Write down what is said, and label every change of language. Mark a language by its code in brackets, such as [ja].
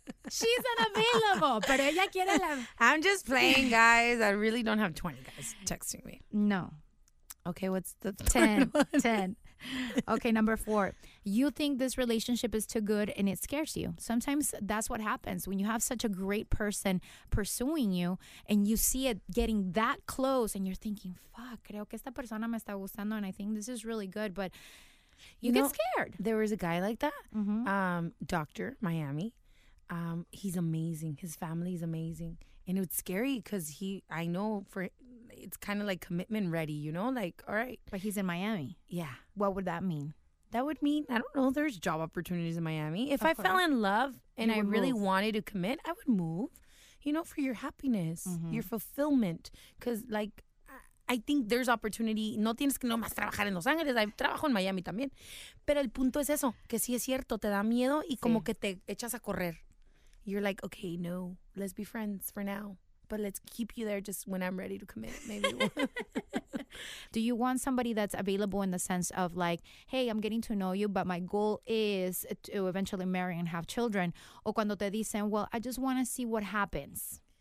[en] She's unavailable, [es] pero ella quiere la... [en] I'm just playing, guys. I really don't have 20 guys texting me. No. Okay, what's the 10. 10. Okay, number four. You think this relationship is too good and it scares you. Sometimes that's what happens when you have such a great person pursuing you and you see it getting that close and you're thinking, fuck, [es] creo que esta persona me está gustando [en] and I think this is really good, but you get scared. There was a guy like that, Dr. Miami. He's amazing. His family is amazing. And it was scary because it's kind of like commitment ready, you know? Like, all right. But he's in Miami. Yeah. What would that mean? That would mean, I don't know, there's job opportunities in Miami. If I fell in love and I really wanted to commit, I would move, you know, for your happiness, your fulfillment. Because, like, I think there's opportunity. [es] No tienes que nomás trabajar en Los Ángeles. I trabajo en Miami también. Pero el punto es eso, que sí es cierto, te da miedo y como que te echas a correr. [en] You're like, okay, no, let's be friends for now. But let's keep you there just when I'm ready to commit. Maybe. Do you want somebody that's available in the sense of like, hey, I'm getting to know you, but my goal is to eventually marry and have children? [es] O cuando te dicen, [en] well, I just want to see what happens.